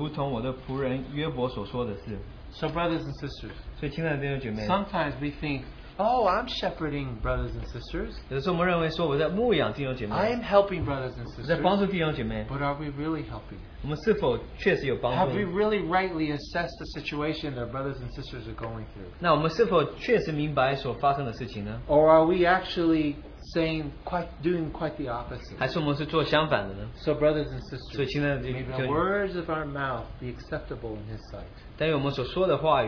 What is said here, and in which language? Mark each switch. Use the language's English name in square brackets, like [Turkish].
[Chinese] 我因悦纳他，就不按你们的欲望骗你们，因为议论我，我如同我的仆人约伯所说的事。 [English] So brothers and sisters, [Chinese] 所以亲爱的弟兄姐妹, [English] sometimes we think, oh, I'm shepherding brothers and sisters. [Chinese] 有时候我们认为说我在牧养弟兄姐妹, [English] I am helping brothers and sisters. [Chinese] 在帮助弟兄姐妹, [English] but are we really helping? [Chinese] 我们是否确实有帮助? [English] Have we really rightly assessed the situation that brothers and sisters are going through? [Chinese] 那我们是否确实明白所发生的事情呢? [English] Or are we actually saying doing quite the opposite? [Chinese] 还是我们是做相反的呢? [English] So brothers and sisters, [Chinese] 所以亲爱的弟兄姐妹, [English] may the words of our mouth be acceptable in His sight.